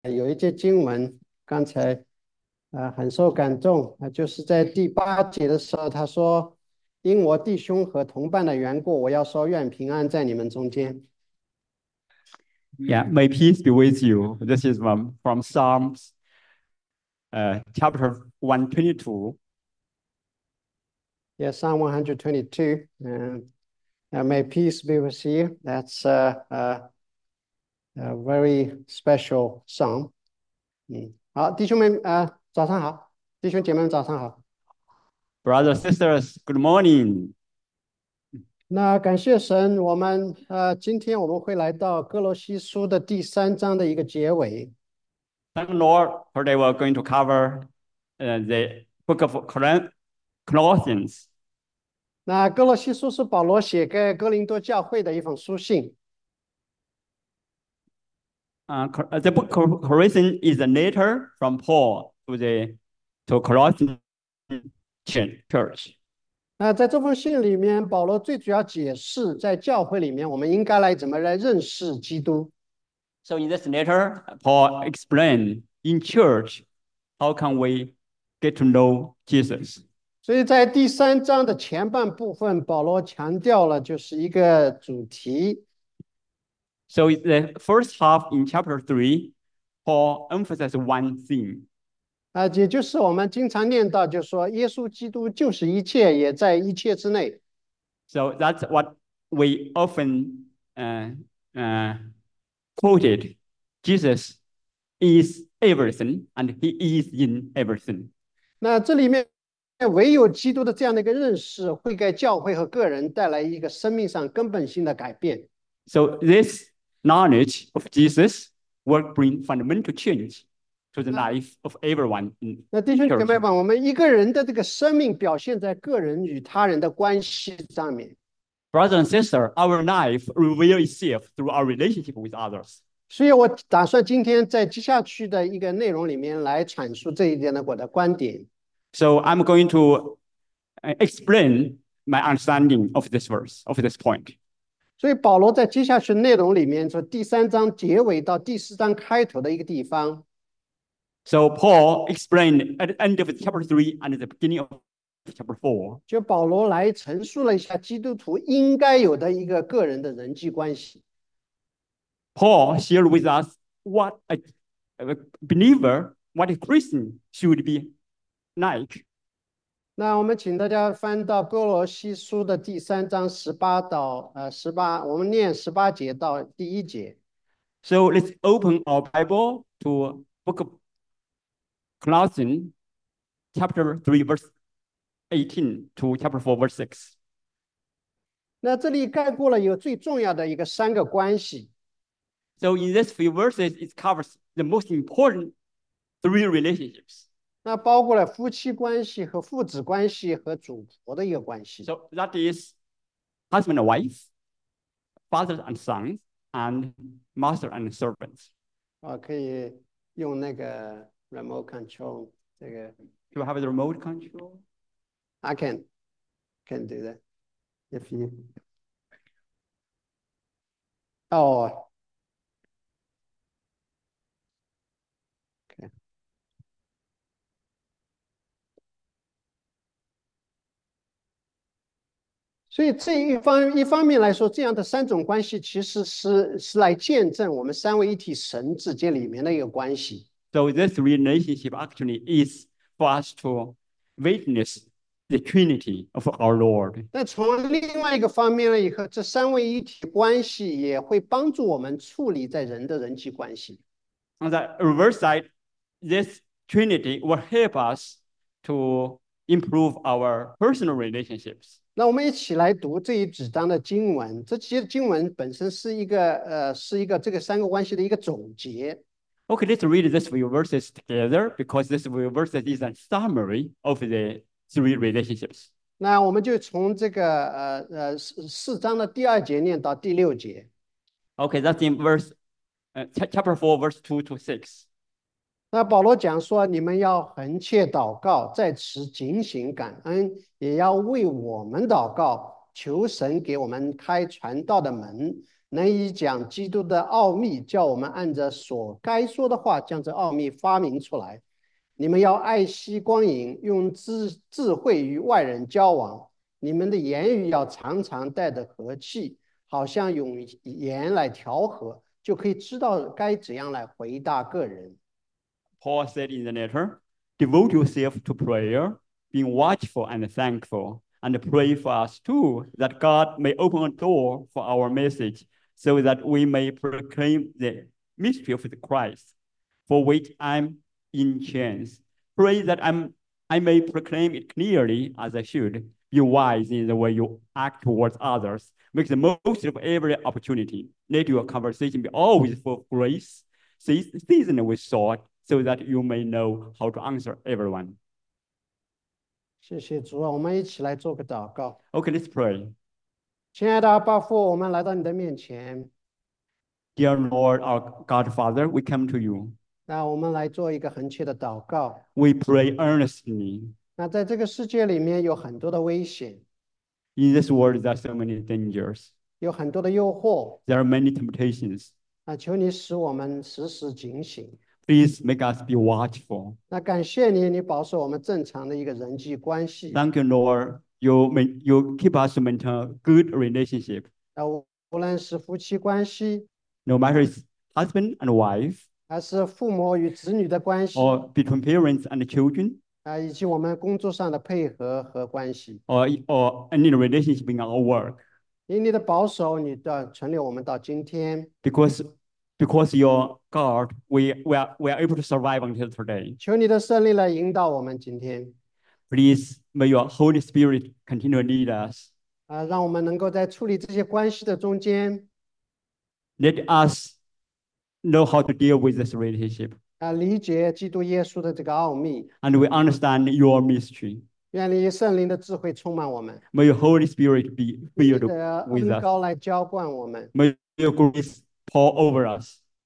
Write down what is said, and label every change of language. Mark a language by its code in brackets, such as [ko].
[zh] 有一节经文，刚才很受感动就是在第八节的时候，他说：“因我弟兄和同伴的缘故，我要说愿平安在你们中间。 [en] Yeah, may peace be with you. This is from Psalms, chapter 122. ”Psalm 122, may peace be with you. That's a very special song。 [zh] 好，弟兄们，早上好，弟兄姐妹们，早上好。 [en] Brothers, sisters, good morning. [zh] 那感谢神，今天我们会来到哥罗西书的第三章的一个结尾。 [en] Thank the Lord. Today we're going to cover the book of Colossians. [zh] 那哥罗西书是保罗写给哥林多教会的一封书信。 [en] The book of Colossians is a letter from Paul to Colossians church. [zh] 那在这封信里面，保罗最主要解释，在教会里面，我们应该来怎么来认识基督。 [en] So in this letter, Paul explained in church, how can we get to know Jesus? [zh] 所以在第三章的前半部分，保罗强调了就是一个主题。 [en] So the first half in chapter 3, Paul emphasized one thing. [zh] 也就是我们经常念到，就是说，耶稣基督就是一切，也在一切之内。 [en] So that's what we often quoted, Jesus is everything, and he is in everything. [zh] 那这里面唯有基督的这样的一个认识，会给教会和个人带来一个生命上根本性的改变。 [en] So this knowledge of Jesus will bring fundamental change to the life of everyone in [zh] 那弟兄姐妹 [en] church. [zh] 们，我们一个人的这个生命表现在个人与他人的关系上面。 [en] Brother and sister, our life reveals itself through our relationship with others. [zh] 所以我打算今天在接下去的一个内容里面来阐述这一点的我的观点。 [en] So I'm going to explain my understanding of this verse, of this point. [zh] 所以保罗在接下去内容里面，从第三章结尾到第四章开头的一个地方。 [en] So Paul explained at the end of chapter 3 and at the beginning of chapter 4. [zh] 就保罗来陈述了一下基督徒应该有的一个个人的人际关系。 [en] Paul shared with us what a believer, what a Christian should be like. [zh] 那我们请大家翻到哥罗西书的第三章18，我们念18节到第一节。 [en] So let's open our Bible to Book of Colossians, chapter 3, verse 18 to chapter 4, verse 6. [zh] 那这里概括了有最重要的一个三个关系。 [en] So in these few verses, it covers the most important three relationships. [zh] 那包括了夫妻关系和父子关系和主仆的一个关系。 [en] So that is husband and wife, father and son, and master and servants. [zh] 可以用那个 [en] remote control [zh] 这个。 [en] Do you have the remote control? I can do that if you. [zh] 哦，所以这一方面来说，这样的三种关系其实是来见证我们三位一体神之间里面的一个关系。 [en] So this relationship actually is for us to witness the Trinity of our Lord. [zh] 那从另外一个方面呢，以后这三位一体关系也会帮助我们处理在人的人际关系。 [en] On the reverse side, this Trinity will help us to improve our personal relationships. [zh] 那我们一起来读这一几章的经文，这些经文本身是一个这个三个关系的一个总结。 [en] Okay, let's read these few verses together because these few verses is a summary of the three relationships. [zh] 那我们就从这个四章的第二节念到第六节。 [en] Okay, that's in verse, chapter 4, verse 2 to 6. [zh] 那保罗讲说，你们要恒切祷告，在此警醒感恩，也要为我们祷告，求神给我们开传道的门，能以讲基督的奥秘，叫我们按着所该说的话，将这奥秘发明出来。你们要爱惜光阴，用智慧与外人交往。你们的言语要常常带着和气，好像用盐来调和，就可以知道该怎样来回答个人。 [en] Paul said in the letter, devote yourself to prayer, being watchful and thankful, and pray for us too, that God may open a door for our message, so that we may proclaim the mystery of the Christ, for which I'm in chains. Pray that I may proclaim it clearly, as I should. Be wise in the way you act towards others. Make the most of every opportunity. Let your conversation be always full of grace, seasoned with salt, so that you may know how to answer everyone. [zh] 谢谢主啊，我们一起来做个祷告。 [en] Okay, let's pray. [zh] 亲爱的阿爸父，我们来到你的面前。 [en] Dear Lord, our God Father, we come to you. [zh] 那我们来做一个恳切的祷告。 [en] We pray earnestly. [zh] 那在这个世界里面有很多的危险。 [en] In this world, there are so many dangers. [zh] 有很多的诱惑。 [en] There are many temptations. [zh] 那求你使我们时时警醒。 [en] Please make us be watchful. [zh] 那感谢你，你保守我们正常的一个人际关系。 [en] Thank you, Lord. You keep us to maintain a good relationship. [zh] 那无论是夫妻关系， [en] No matter it's husband and wife, [zh] 还是父母与子女的关系， [en] or between parents and children, [zh] 啊，以及我们工作上的配合和关系。 [en] or any relationship in our work. [zh] 因你的保守，你的存留我们到今天。 [en] Because your God, we are able to survive until today. [zh] 求你的圣灵来引导我们今天。 [en] Please may your Holy Spirit continue to lead us. [zh] 让我们能够在处理这些关系的中间。 [en] Let us know how to deal with this relationship. [zh] 理解基督耶稣的这个奥秘。 [en] And we understand your mystery. [zh] 愿你圣灵的智慧充满我们。 [en] May your Holy Spirit be filled with us. [zh] 你的恩膏来浇灌我们。 [en] May your grace pour over us.